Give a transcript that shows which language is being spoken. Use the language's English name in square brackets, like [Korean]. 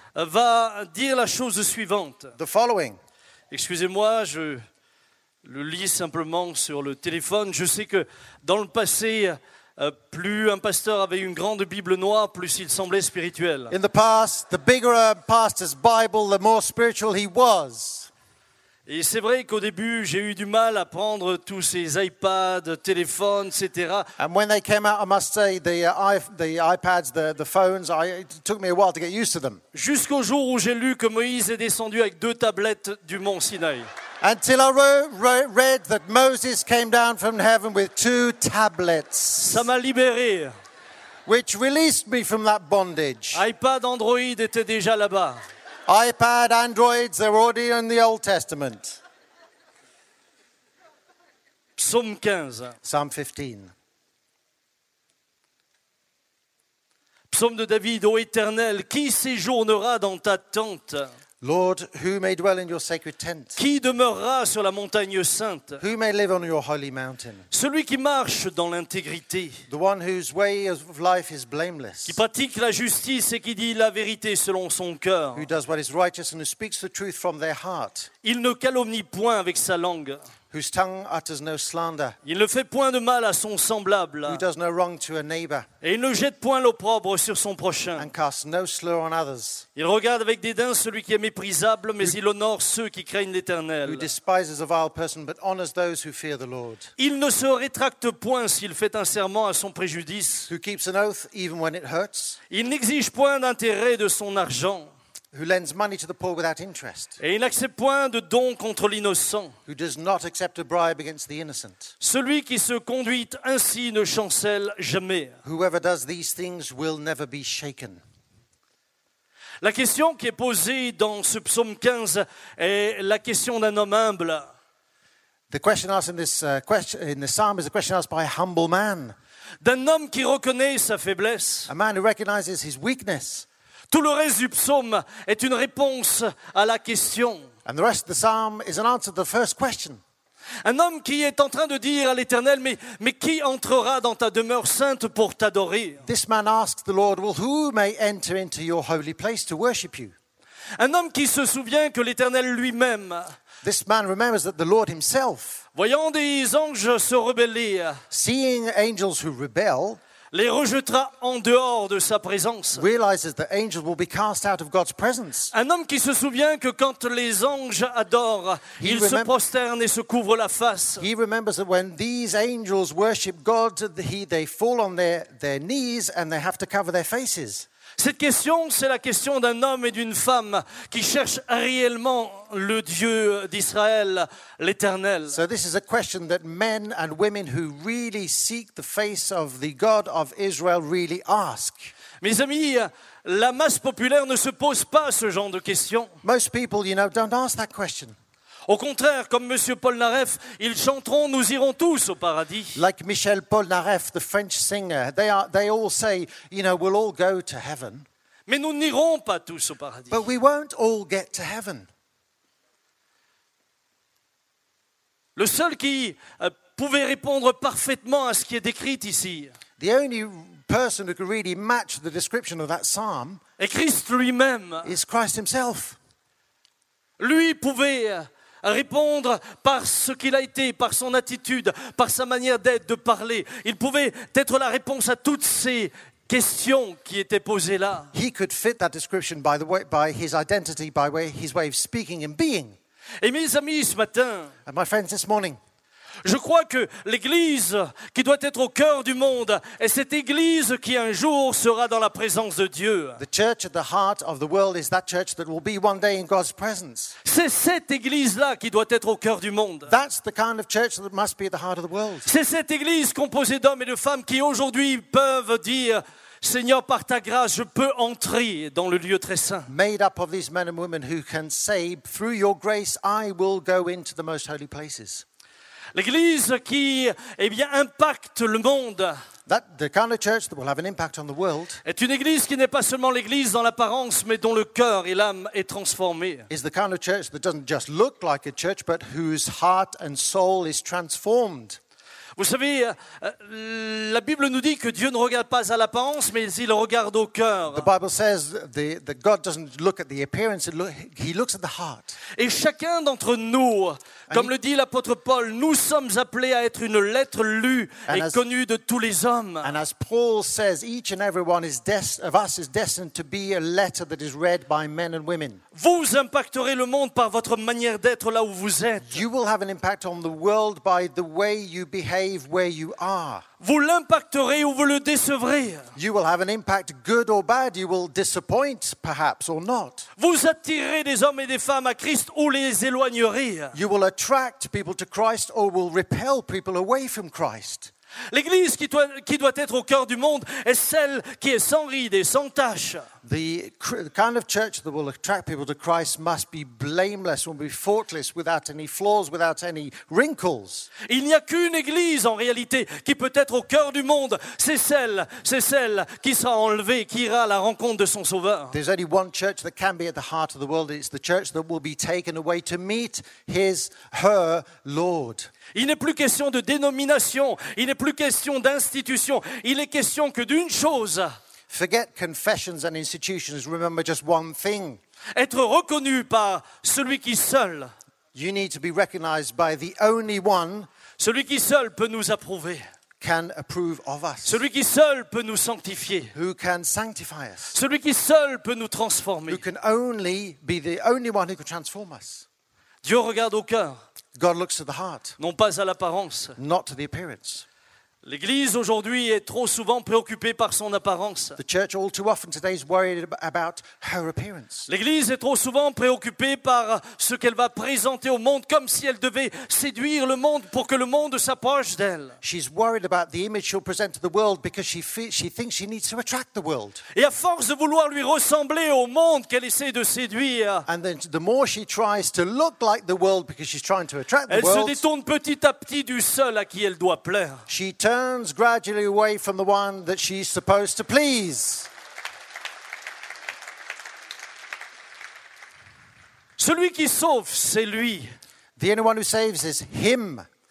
[French] Va dire la chose suivante. [English] The following. [French] Excusez-moi, je le lis simplement sur le téléphone. Je sais que dans le passé, plus un pasteur avait une grande Bible noire, plus il semblait spirituel. [English] In the past, the bigger a pastor's Bible, the more spiritual he was. [French] Et c'est vrai qu'au début, j'ai eu du mal à prendre tous ces iPads, téléphones, etc. [English] And when they came out, I must say, the iPads, the phones, it took me a while to get used to them. [French] Jusqu'au jour où j'ai lu que Moïse est descendu avec deux tablettes du mont Sinaï. [English] Until I read that Moses came down from heaven with two tablets. [French] Ça m'a libéré. [English] Which released me from that bondage. [French] iPad Android était déjà là-bas. [English] iPad, Androids, they're already in the Old Testament. [French] Psaume 15. [English] Psalm 15. [French] Psaume de David, ô Éternel, qui séjournera dans ta tente? [English] Lord, who may dwell in your sacred tent? [French] Qui demeurera sur la montagne sainte? [English] Who may live on your holy mountain? [French] Celui qui marche dans l'intégrité. [English] The one whose way of life is blameless. [French] Qui pratique la justice et qui dit la vérité selon son cœur. [English] Who does what is righteous and who speaks the truth from their heart. [French] Il ne calomnie point avec sa langue. [English] Whose tongue utters no slander. [French] Il ne fait point de mal à son semblable. [English] Who does no wrong to a neighbor. [French] Et il ne jette point l'opprobre sur son prochain. [English] And casts no slur on others. [French] Il regarde avec dédain celui qui est méprisable, mais il honore ceux qui craignent l'Éternel. [English] Who despises a vile person, but honors those who fear the Lord. [French] Il ne se rétracte point s'il fait un serment à son préjudice. [English] Who keeps an oath even when it hurts. [French] Il n'exige point d'intérêt de son argent. [English] Who lends money to the poor without interest. [French] Et il n'accepte point de don contre l'innocent. [English] Who does not accept a bribe against the innocent. [French] Celui qui se conduit ainsi ne chancelle jamais. [English] Whoever does these things will never be shaken. [French] La question qui est posée dans ce psaume 15 est la question d'un homme humble. [English] The question asked in this psalm is a question asked by a humble man. [French] D'un homme qui reconnaît sa faiblesse. [English] A man who recognizes his weakness. [French] Tout le reste du psaume est une réponse à la question. [English] And the rest of the psalm is an answer to the first question. [French] Un homme qui est en train de dire à l'Éternel, mais qui entrera dans ta demeure sainte pour t'adorer? [English] This man asks the Lord, well, who may enter into your holy place to worship you? [French] Un homme qui se souvient que l'Éternel lui-même. [English] This man remembers that the Lord himself. [French] Voyant des anges se rebeller. [English] Seeing angels who rebel. [French] Les rejettera en dehors de sa présence. [English] Realizes that angels will be cast out of God's presence. [French] Un homme qui se souvient que quand les anges adorent, ils se prosternent et se couvrent la face. [English] He remembers that when these angels worship God, they fall on their knees and they have to cover their faces. [French] Cette question, c'est la question d'un homme et d'une femme qui cherchent réellement le Dieu d'Israël, l'Éternel. [English] So this is a question that men and women who really seek the face of the God of Israel really ask. [French] Mes amis, la masse populaire ne se pose pas ce genre de question. [English] Most people, you know, don't ask that question. [French] Au contraire, comme Monsieur Polnareff, ils chanteront, nous irons tous au paradis. [English] Like Michel Polnareff, the French singer, they all say, you know, we'll all go to heaven. [French] Mais nous n'irons pas tous au paradis. [English] But we won't all get to heaven. [French] Le seul qui pouvait répondre parfaitement à ce qui est décrit ici. [English] The only person who could really match the description of that psalm. [French] Est Christ lui-même. [English] Is Christ himself. [French] Lui pouvait répondre par ce qu'il a été, par son attitude, par sa manière d'être, de parler. Il pouvait être la réponse à toutes ces questions qui étaient posées là. [English] He could fit that description by the way, by his identity, by his way of speaking and being. [French] Et mes amis, ce matin, [English] and my friends, this morning, [French] Je crois que l'Église qui doit être au cœur du monde est cette Église qui un jour sera dans la présence de Dieu. [English] The church at the heart of the world is that church that will be one day in God's presence. [French] C'est cette Église-là qui doit être au cœur du monde. [English] That's the kind of church that must be at the heart of the world. [French] C'est cette Église composée d'hommes et de femmes qui aujourd'hui peuvent dire: Seigneur, par ta grâce, je peux entrer dans le lieu très saint. [English] Made up of these men and women who can say, through your grace, I will go into the most holy places. [French] L'Église qui, eh bien, impacte le monde. [English] That the kind of church that will have an impact on the world. [French] Est une Église qui n'est pas seulement l'Église dans l'apparence, mais dont le cœur et l'âme est transformé. [English] Is the kind of church that doesn't just look like a church, but whose heart and soul is transformed. [French] Vous savez, la Bible nous dit que Dieu ne regarde pas à l'apparence, mais il regarde au cœur. [English] The Bible says that God doesn't look at the appearance, he looks at the heart. [French] Et chacun d'entre nous, comme le dit l'apôtre Paul, nous sommes appelés à être une lettre lue et connue de tous les hommes. [English] And as Paul says, each and every one of us is destined to be a letter that is read by men and women. [French] Vous impacterez le monde par votre manière d'être là où vous êtes. [English] You will have an impact on the world by the way you behave where you are. [French] Vous l'impacterez ou vous le décevrez. [English] You will have an impact, good or bad. You will disappoint, perhaps, or not. [French] Vous attirerez des hommes et des femmes à Christ ou les éloignerez. [English] You will attract people to Christ or will repel people away from Christ. [French] L'Église qui doit être au cœur du monde est celle qui est sans ride et sans tache. [English] The kind of church that will attract people to Christ must be blameless, will be faultless, without any flaws, without any wrinkles. [French] Il n'y a qu'une Église en réalité qui peut être au cœur du monde. C'est celle qui sera enlevée, qui ira à la rencontre de son Sauveur. [English] There's only one church that can be at the heart of the world. It's the church that will be taken away to meet her Lord. [French] Il n'est plus question de dénomination, il n'est plus question d'institution, il est question que d'une chose. [English] Forget confessions and institutions, remember just one thing. [French] Être reconnu par celui qui seul. [English] You need to be recognized by the only one. [French] Celui qui seul peut nous approuver. [English] Can approve of us. [French] Celui qui seul peut nous sanctifier. [English] Who can sanctify us. [French] Celui qui seul peut nous transformer. [English] Who can only be the only one who can transform us. [French] Dieu regarde au cœur. [English] God looks at the heart, [French] non pas à l'apparence. [English] Not to the appearance. [French] L'Église aujourd'hui est trop souvent préoccupée par son apparence. [English] The church all too often today is worried about her appearance. [French] L'Église est trop souvent préoccupée par ce qu'elle va présenter au monde, comme si elle devait séduire le monde pour que le monde s'approche d'elle. [English] She's worried about the image she'll present to the world because she thinks she needs to attract the world. [French] Et à force de vouloir lui ressembler au monde qu'elle essaie de séduire, [English] and then the more she tries to look like the world because she's trying to attract the world, [French] elle se détourne petit à petit du seul à qui elle doit plaire. [English] Turns gradually away from the one that she's supposed to please. [French] Celui qui sauve, c'est lui. [English] The only one who saves is him.